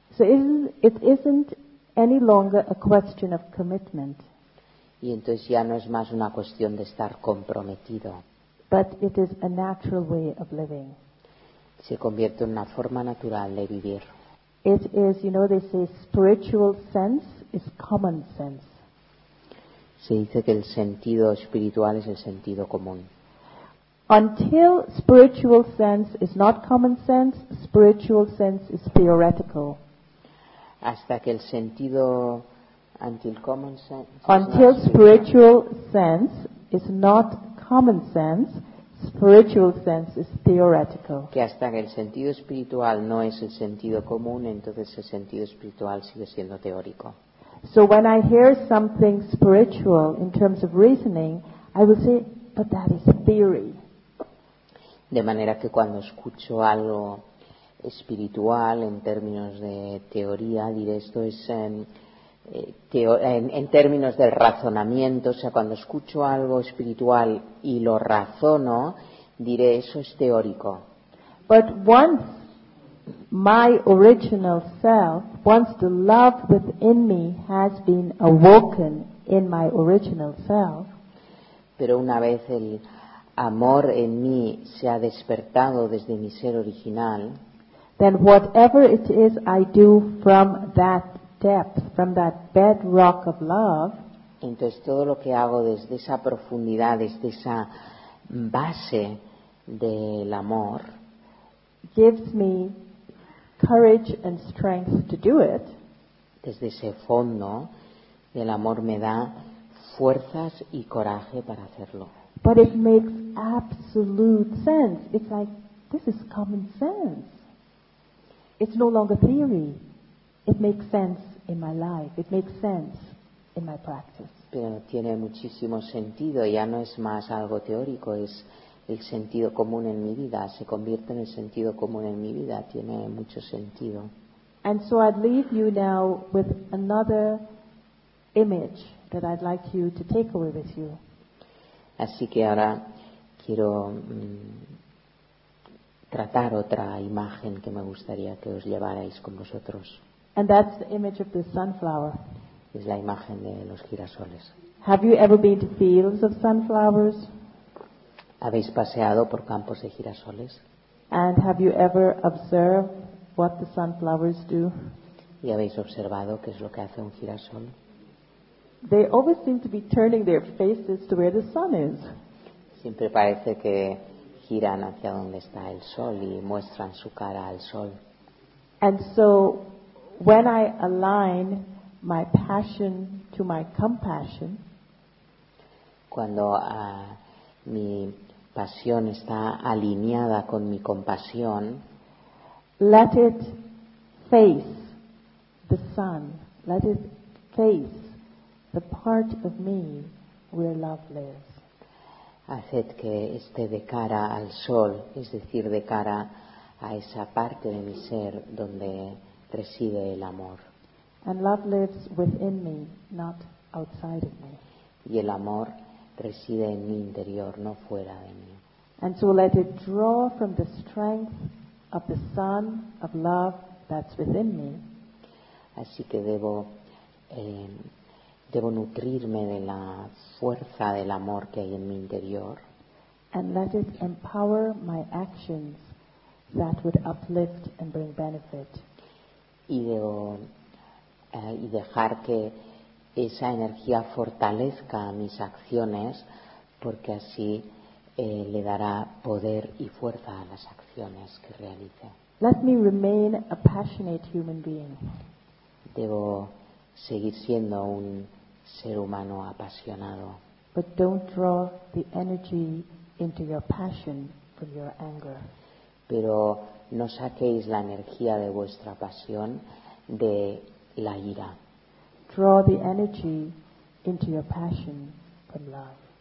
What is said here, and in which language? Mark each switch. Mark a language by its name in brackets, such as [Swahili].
[English] So it isn't any longer a question of commitment. [Spanish] Y entonces ya no es más una cuestión de estar comprometido. [English] But it is a natural way of living. [Spanish] Se convierte en una forma natural de vivir. [English] It is, you know, they say spiritual sense is common sense. [Spanish] Se dice que el sentido espiritual es el sentido común. [English] Until spiritual sense is not common sense, spiritual sense is theoretical. [Spanish] Hasta que el sentido, [English] until common sense, until spiritual sense is not common sense, spiritual sense is theoretical. [Spanish] Que hasta que el sentido espiritual no es el sentido común, entonces el sentido espiritual sigue siendo teórico. [English] So when I hear something spiritual in terms of reasoning, I will say, but that is theory. [Spanish] De manera que cuando escucho algo espiritual en términos de teoría, diré esto es en términos del razonamiento, o sea, cuando escucho algo espiritual y lo razono, diré eso es teórico. [English] But once my original self, once the love within me has been awoken in my original self, [Spanish] pero una vez el amor en mí se ha despertado desde mi ser original, [English] then whatever it is I do from that depth, from that bedrock of love, [Spanish] entonces todo lo que hago desde esa profundidad, desde esa base del amor, [English] gives me courage and strength to do it. [Spanish] Desde ese fondo, el amor me da fuerzas y coraje para hacerlo. [English] But it makes absolute sense. It's like, this is common sense. It's no longer theory. It makes sense in my life. It makes sense in my practice. [Spanish] Pero tiene muchísimo sentido. Ya no es más algo teórico, es el sentido común en mi vida, se convierte en el sentido común en mi vida, tiene mucho sentido. [English] And so I'd leave you now with another image that I'd like you to take away with you. [Spanish] Así que ahora quiero tratar otra imagen que me gustaría que os llevarais con vosotros. [English] And that's the image of the sunflower. [Spanish] Es la imagen de los girasoles. [English] Have you ever been to fields of sunflowers? [Spanish] ¿Habéis paseado por campos de girasoles? [English] And have you ever observed what the sunflowers do? [Spanish] ¿Y habéis observado qué es lo que hace un girasol? [English] They always seem to be turning their faces to where the sun is. [Spanish] Siempre parece que giran hacia donde está el sol y muestran su cara al sol. [English] And so when I align my passion to my compassion, [Spanish] cuando mi pasión está alineada con mi compasión, [English] let it face the sun, let it face the part of me where love lives. [Spanish] Haced que esté de cara al sol, es decir, de cara a esa parte de mi ser donde reside el amor. [English] And love lives within me, not outside of me. [Spanish] Y el amor reside en mi interior, no fuera de mí. [English] And so let it draw from the strength of the sun of love that's within me. [Spanish] Así que debo nutrirme de la fuerza del amor que hay en mi interior. [English] And let it empower my actions that would uplift and bring benefit. [Spanish] Y debo y dejar que esa energía fortalezca mis acciones, porque así le dará poder y fuerza a las acciones que realice. [English] Let me remain a passionate human being. [Spanish] Debo seguir siendo un ser humano apasionado. [English] But don't draw the energy into your passion from your anger. [Spanish] Pero no saquéis la energía de vuestra pasión de la ira. [English] Draw the energy into your passion from love.